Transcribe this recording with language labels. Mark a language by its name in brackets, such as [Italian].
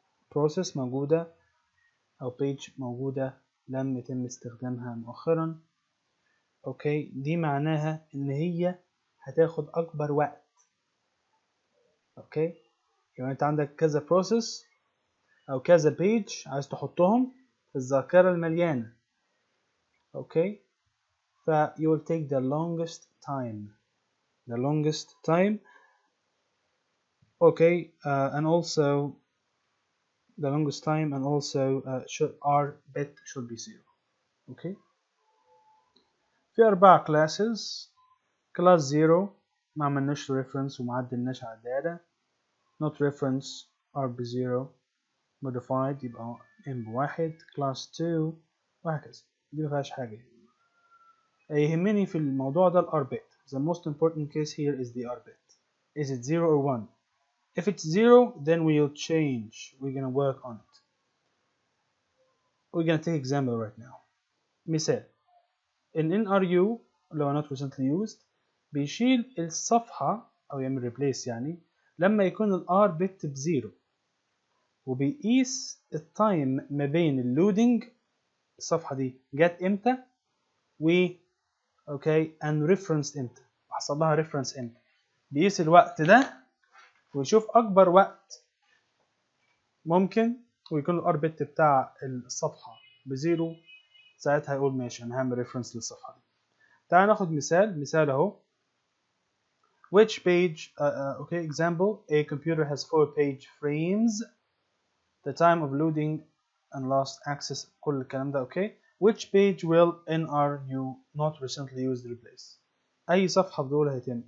[Arabic] process موجودة أو page موجودة لم يتم استخدامها مؤخرا. اوكي دي معناها ان هي هتاخد اكبر وقت. اوكي يعني انت عندك كذا process او كذا page عايز تحطهم في الذاكرة المليانة. [English] Okay ف you will take the longest time. The longest time, okay, and also the longest time, and also should R bit should be zero, okay. [Arabic] في أربع classes, class zero, ما عملناش reference وما عدلناش على data, not reference R be zero, modified يبقى M بواحد, class two, وهكذا. دي مفيهاش حاجة. يهمني في الموضوع ده الR bit. [English] The most important case here is the R bit. Is it 0 or 1? If it's 0, then we'll change. We're going to work on it. We're going to take example right now. [Arabic] مثال. In NRU, لو [English] not recently used, [Arabic] بيشيل الصفحة, أو يعمل replace يعني, لما يكون ال R bit ب 0. وبيقيس time ما بين loading, الصفحة دي جت إمتى, okay, [English] and reference int. [Arabic] حصل لها reference int. بيقيس الوقت ده ويشوف أكبر وقت ممكن ويكون الـ orbit بتاع الصفحة بزيرو. ساعتها هيقول ماشي أنا هعمل reference للصفحة دي. تعال ناخد مثال. مثال أهو. [English] Which page, okay, example, a computer has 4 page frames. The time of loading and last access, [Arabic] كل الكلام ده, [English] okay. Which page will NRU not recently used replace? [Arabic] أي صفحة دول هيتم.